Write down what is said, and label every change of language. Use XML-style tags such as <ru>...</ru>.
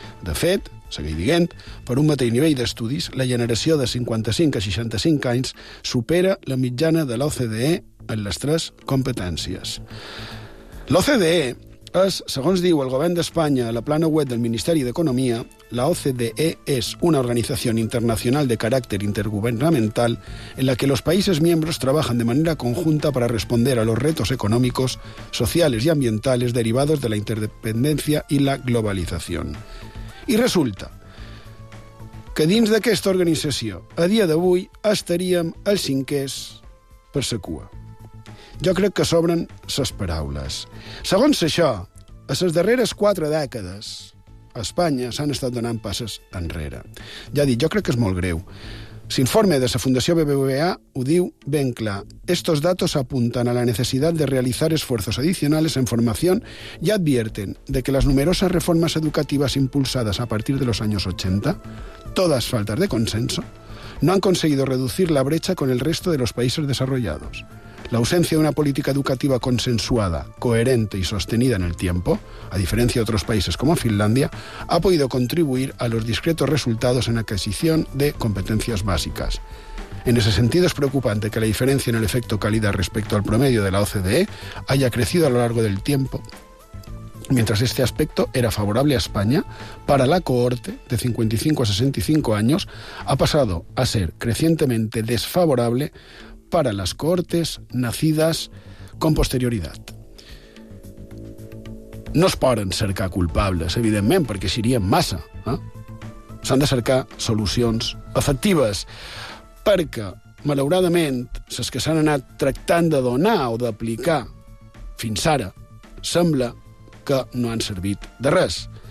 <ca>De fet, segueix dient, per un mateix nivell d'estudis, la generació de 55 a 65 anys supera la mitjana de l'OCDE en les tres competències. L'OCDE és, segons diu el govern d'Espanya a la plana web del Ministeri d'Economia,</ca> <es>la OCDE es una organización internacional de carácter intergubernamental en la que los países miembros trabajan de manera conjunta para responder a los retos económicos, sociales y ambientales derivados de la interdependencia y la globalización.</es> <ca>Y resulta que dins d'aquesta organització, a dia d'avui, estaríem els cinquers per la cua. Jo crec que sobren ses paraules. Segons això, a ses darreres quatre dècades, a Espanya s'han estat donant passes enrere. Ja he dit, jo crec que és molt greu. S'informe de la Fundació BBVA ho diu ben clar.</ca> <es>Estos datos apuntan a la necesidad de realizar esfuerzos adicionales en formación y advierten de que las numerosas reformas educativas impulsadas a partir de los años 80, todas faltas de consenso, no han conseguido reducir la brecha con el resto de los países desarrollados. La ausencia de una política educativa consensuada, coherente y sostenida en el tiempo, a diferencia de otros países como Finlandia, ha podido contribuir a los discretos resultados en adquisición de competencias básicas. En ese sentido, es preocupante que la diferencia en el efecto calidad respecto al promedio de la OCDE haya crecido a lo largo del tiempo, mientras este aspecto era favorable a España, para la cohorte de 55 a 65 años, ha pasado a ser crecientemente desfavorable para las cohortes nacidas con posterioridad.</es> <ca>No es poden cercar culpables, evidentment, perquè serien massa. S'han de cercar solucions efectives, perquè, malauradament, les que s'han anat tractant de donar o d'aplicar fins ara sembla que no han servit de res.</ca>